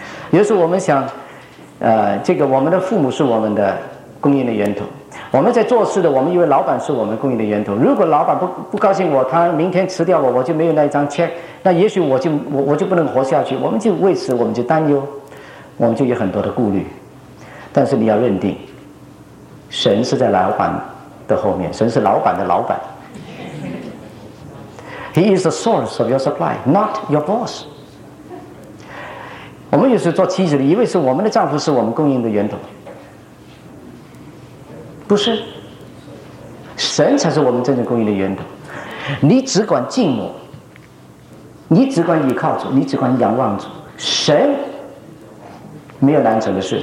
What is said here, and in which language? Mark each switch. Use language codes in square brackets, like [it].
[zh] 有时候我们想这个我们的父母是我们的供应的源头，我们在做事的，我们以为老板是我们供应的源头，如果老板不高兴我，他明天辞掉我，我就没有那一张 check， 那也许我就不能活下去。我们就为此我们就担忧，我们就有很多的顾虑。但是你要认定神是在老板的后面，神是老板的老板。 [en] He is the source of your supply, not your boss。 [zh] 我们有时做妻子的以为是我们的丈夫是我们供应的源头，不是，神才是我们真正供应的源头。你只管敬我，你只管依靠主，你只管仰望主，神没有难成的事。